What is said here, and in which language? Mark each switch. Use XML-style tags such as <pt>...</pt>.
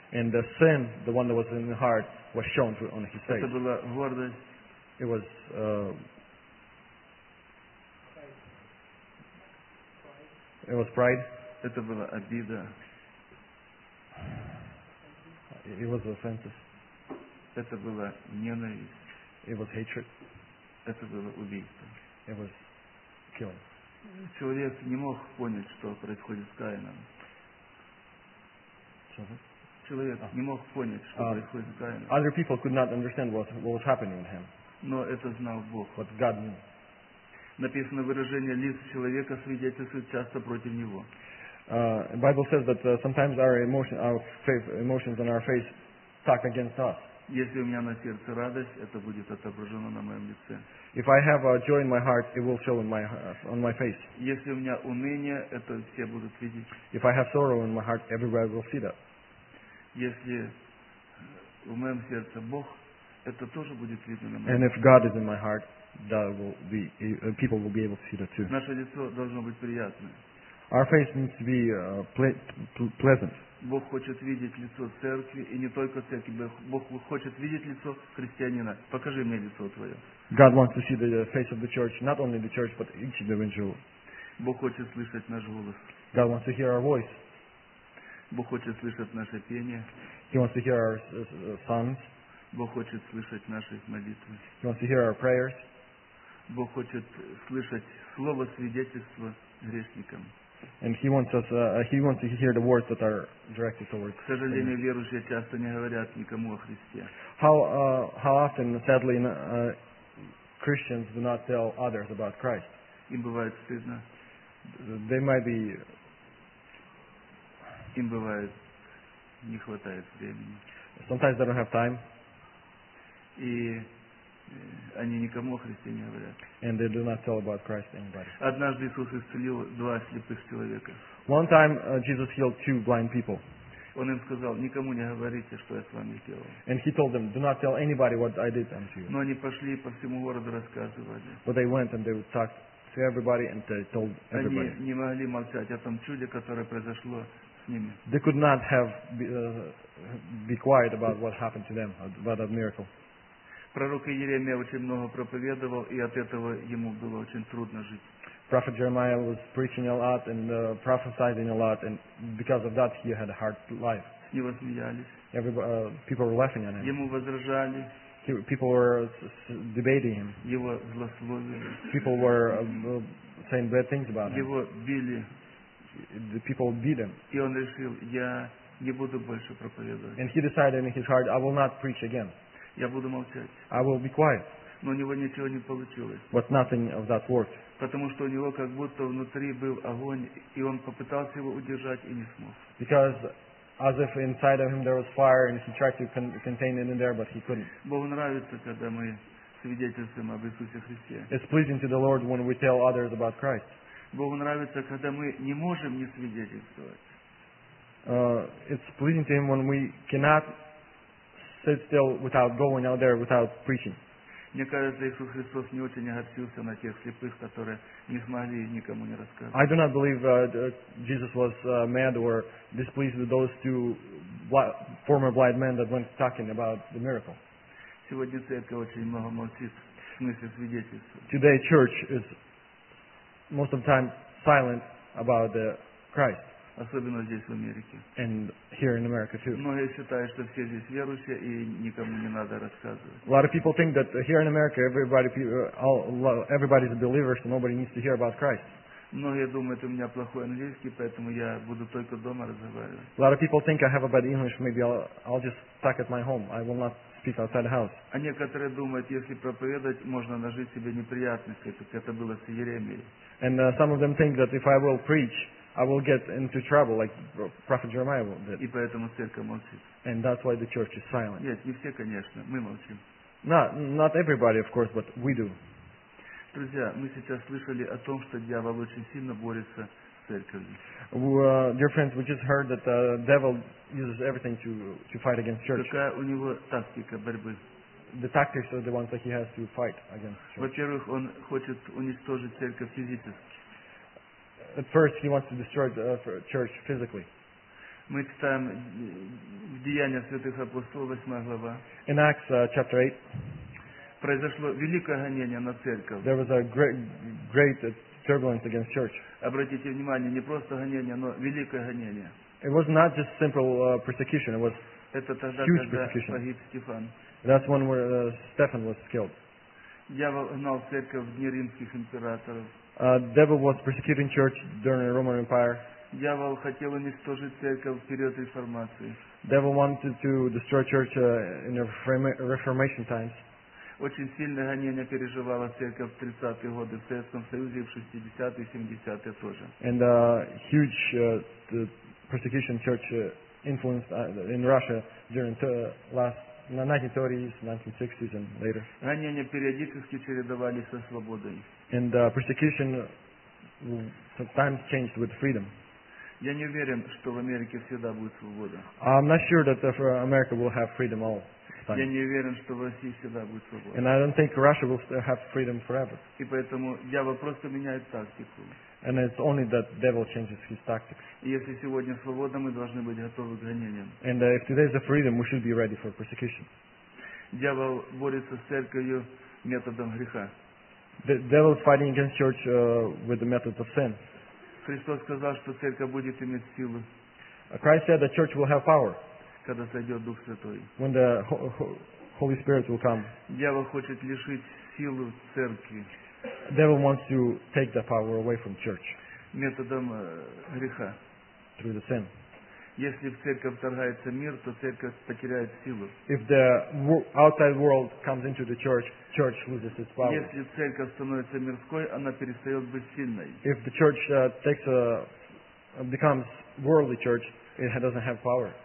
<en>And the sin, the one that was in the heart, was shown on his face.</en> <ru>Это была гордость.</ru> <en>It was pride.</en> <ru>Это была обида.</ru> <en>It was offenses.</en> <ru>Это была ненависть.</ru> <en>It was hatred.</en> <ru>Это было убийство.</ru> <en>It was killing.</en> <ru>Человек не мог понять, что происходит с Каином. Человек не мог понять, что происходит с Каином.</ru> <en>Other people could not understand what was happening with him.</en> <ru>Но это знал Бог.</ru> <en>But God knew.</en> <ru>Написано выражение лиц человека свидетельствует часто против него.</ru> <en>The Bible says that sometimes our emotions on our face talk against us.</en> <ru>Если у меня на сердце радость, это будет отображено на моем лице.</ru> <en>If I have a joy in my heart, it will show on my face.</en> <ru>Если у меня уныние, это все будут видеть.</ru> <en>If I have sorrow in my heart, everybody will see that.</en> <ru>Если в моем сердце Бог, это тоже будет видно на моем.</ru> <en>And if God is in my heart, that will be people will be able to see that too.</en> <ru>Наше лицо должно быть приятное.</ru> <en>Our face needs to be pleasant.</en> <ru>Бог хочет видеть лицо церкви, и не только церкви. Бог хочет видеть лицо христианина. Покажи мне лицо твое.</ru> <en>God wants to see the face of the church, not only the church, but each individual.</en> <ru>Бог хочет слышать наш голос.</ru> <en>God wants to hear our voice.</en> <ru>Бог хочет слышать наше пение.</ru> <en>He wants to hear our songs.</en> <ru>Бог хочет слышать наши молитвы.</ru> <en>He wants to hear our prayers.</en> <ru>Бог хочет слышать слово свидетельства грешникам.</ru> <en>And he wants us. He wants to hear the words that are directed towards.</en> <ru>К сожалению, верующие часто не говорят никому о Христе.</ru> <en>How often, sadly, Christians do not tell others about Christ.</en> <ru>Им бывает стыдно.</ru> <en>They might be.</en> <ru>Им бывает не хватает времени.</ru> <en>Sometimes they don't have time.</en> <ru>И они никому о Христе не говорят.</ru> <en>And they do not tell about Christ to anybody.</en> <ru>Однажды Иисус исцелил два слепых человека.</ru> <en>One time Jesus healed two blind people.</en> <ru>Он им сказал: никому не говорите, что я с вами сделал.</ru> <en>And he told them, do not tell anybody what I did unto you.</en> <ru>Но они пошли по всему городу рассказывали.</ru> <en>But they went and they would talk to everybody and they told everybody.</en> <ru>Они не могли молчать о том чуде, которое произошло с ними.</ru> <en>They could not have be quiet about what happened to them, about that miracle.</en> <ru>Пророк Иеремия очень много проповедовал, и от этого ему было очень трудно жить.</ru> <en>Prophet Jeremiah was preaching a lot and prophesizing a lot, and because of that, he had a hard life.</en> <ru>С него смеялись.</ru> <en>People were laughing at him.</en> <ru>Ему возражали.</ru> <en>People were debating him.</en> <ru>Его злословили.</ru> <en>People were saying bad things about him.</en> <ru>Его били.</ru> <en>The people beat him.</en> <ru>И он решил: я не буду больше проповедовать.</ru> <en>And he decided in his heart, I will not preach again.</en> <ru>Я буду молчать.</ru> <en>I will be quiet.</en> <ru>Но у него ничего не получилось.</ru> <en>But nothing of that worked.</en> <ru>Потому что у него как будто внутри был огонь, и он попытался его удержать и не смог.</ru> <en>Because as if inside of him there was fire and he tried to contain it in there, but he couldn't.</en> <ru>Богу нравится, когда мы свидетельствуем об Иисусе Христе.</ru> <en>It's pleasing to the Lord when we tell others about Christ.</en> <ru>Богу нравится, когда мы не можем не свидетельствовать.</ru> <en>It's pleasing to him when we cannot sit still without going out there, without preaching.</en> <ru>Мне кажется, Иисус Христос не очень огорчился на тех слепых, которые не смогли никому не рассказать.</ru> <en>I do not believe Jesus was mad or displeased with those two former blind men that went talking about the miracle.</en> <ru>Сегодня церковь очень много молчит.</ru> <en>Today, church is most of the time silent about the Christ.</en> <ru>Особенно здесь, в Америке.</ru> <en>And here in America too.</en> <ru>Но я считаю, что все здесь верующие, и никому не надо рассказывать.</ru> <en>A lot of people think that here in America everybody's a believer, so nobody needs to hear about Christ.</en> <ru>Но я думаю, у меня плохой английский, поэтому я буду только дома разговаривать.</ru> <en>A lot of people think I have a bad English, maybe I'll just talk at my home. I will not speak outside the house.</en> <ru>А некоторые думают, если проповедовать, можно нажить себе неприятности, как это было с Иеремией.</ru> <en>And some of them think that if I will preach, I will get into trouble like Prophet Jeremiah did.</en> <ru>И поэтому церковь молчит.</ru> <en>And that's why the church is silent.</en> <ru>Нет, не все, конечно, мы молчим.</ru> <en>Not everybody, of course, but we do.</en> <ru>Друзья, мы сейчас слышали о том, что дьявол очень сильно борется с церковью.</ru> <en>Dear friends, we just heard that the devil uses everything to fight against church.</en> <ru>Какая у него тактика борьбы?</ru> <en>The tactics are the ones that he has to fight against church.</en> <ru>Во-первых, он хочет уничтожить церковь физически.</ru> <en>At first, he wants to destroy the church physically.</en> <ru>Мы читаем в Деяниях святых апостолов 8 глава.</ru> <en>In Acts chapter 8.</en> <ru>Произошло великое гонение на церковь.</ru> <en>There was a great turbulence against church.</en> <ru>Обратите внимание, не просто гонение, но великое гонение.</ru> <en>It was not just simple persecution. It was</en> <ru>это тогда,</ru> <en>huge</en> <ru>когда</ru> <en>persecution.</en> <ru>Погиб Стефан.</ru> <en>That's one where Stephen was killed.</en> <ru>Дьявол гнал церковь в дни римских императоров.</ru> <en>Devil was persecuting church during the Roman Empire.</en> <ru>Дьявол хотел уничтожить церковь в период реформации.</ru> <en>Devil wanted to destroy church in the Reformation times.</en> <ru>Очень сильное гонение переживала церковь в 30-е годы в Советском Союзе и в 60-е, 70-е тоже.</ru> <en>And huge the persecution church influenced in Russia during the last 1930s, 1960s and later.</en> <ru>Гонения периодически чередовались со свободой.</ru> <en>And persecution sometimes changed with freedom.</en> <ru>Я не уверен, что в Америке всегда будет свобода.</ru> <en>I'm not sure that America will have freedom all the time.</en> <ru>Я не уверен, что в России всегда будет свобода.</ru> <en>And I don't think Russia will have freedom forever.</en> <ru>И поэтому дьявол просто меняет тактику.</ru> <en>And it's only that devil changes his tactics.</en> <ru>И если сегодня свобода, мы должны быть готовы к гонениям.</ru> <en>And if today is a freedom, we should be ready for persecution.</en> <ru>Дьявол борется с церковью методом греха.</ru> <en>The devil is fighting against church with the method of sin.</en> <ru>Христос сказал, что церковь будет иметь силу.</ru> <en>Christ said that church will have power.</en> <ru>Когда сойдет Дух Святой.</ru> <en>When the Holy Spirit will come.</en> <ru>Дьявол хочет лишить силу церкви.</ru> <en>Devil wants to take the power away from church.</en> <ru>Методом греха.</ru> <en>Through the sin.</en> <ru>Если в церковь вторгается мир, то церковь потеряет силу.</ru> <en>If the outside world comes into the church, church loses its power.</en> <ru>Если церковь становится мирской, она перестает быть сильной.</ru> <en>If the church becomes worldly church, it doesn't have power.</en>